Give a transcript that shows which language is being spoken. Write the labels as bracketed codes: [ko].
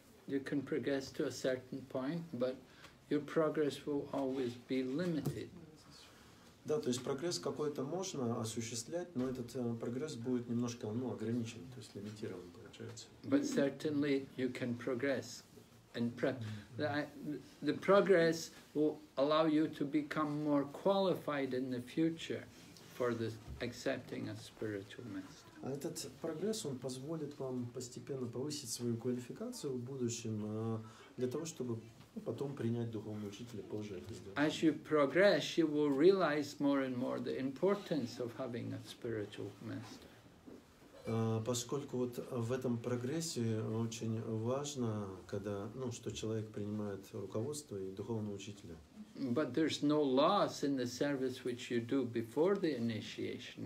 [en] You can progress to a certain point, but your progress will always be limited. [ru] Да, то есть прогресс какой-то можно осуществлять, но этот прогресс будет немножко, ну, ограничен, то есть лимитирован получается. [en] But certainly you can progress, and the progress will allow you to become more qualified in the future for the accepting a spiritual master. [ru] А этот прогресс, он позволит вам постепенно повысить свою квалификацию в будущем для того, чтобы потом принять духовного учителя позже это сделать. [en] As you progress, you will realize more and more the importance of having a spiritual master. [ru] Поскольку вот в этом прогрессе очень важно, когда, ну, что человек принимает руководство и духовного учителя. [en] But there's no loss in the service which you do before the initiation.